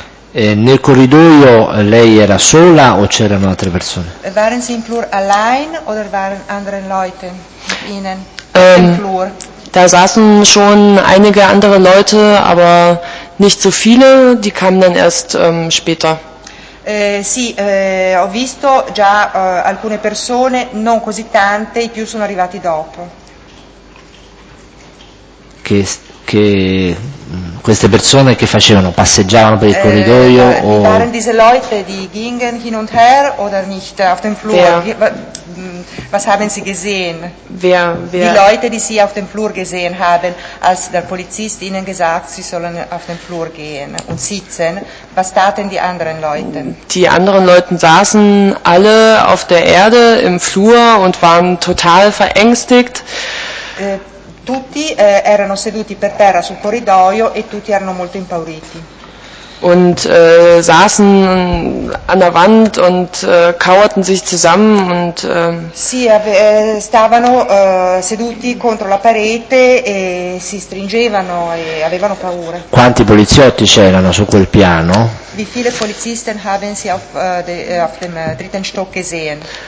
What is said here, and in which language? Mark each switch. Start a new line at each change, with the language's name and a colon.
Italian: Nel corridoio lei era sola o c'erano altre persone?
German: Waren Sie im Flur allein oder waren andere Leute innen im Flur? Da saßen schon einige andere Leute, aber nicht so viele, die kamen dann erst später.
Italian: Sì, ho visto già alcune persone, non così tante, i più sono arrivati dopo. Che queste persone che facevano, passeggiavano per il corridoio o.
German: Waren diese Leute, die gingen hin und her oder nicht auf dem Wer? Flur? Was haben sie gesehen? Die Wer? Leute, die sie auf dem Flur gesehen haben, als der Polizist ihnen gesagt, sie sollen auf dem Flur gehen und sitzen, was taten die anderen Leute? Die anderen Leute saßen alle auf der Erde im Flur und waren total verängstigt.
Italian: Tutti erano seduti per terra sul corridoio e tutti erano molto impauriti.
German: Und saßen an der Wand und kauerten sich zusammen und.
Italian: Sì, stavano seduti contro la parete e si stringevano e avevano paura. Quanti poliziotti c'erano su quel piano?
German: Wie viele Polizisten haben Sie auf dem dritten Stock gesehen?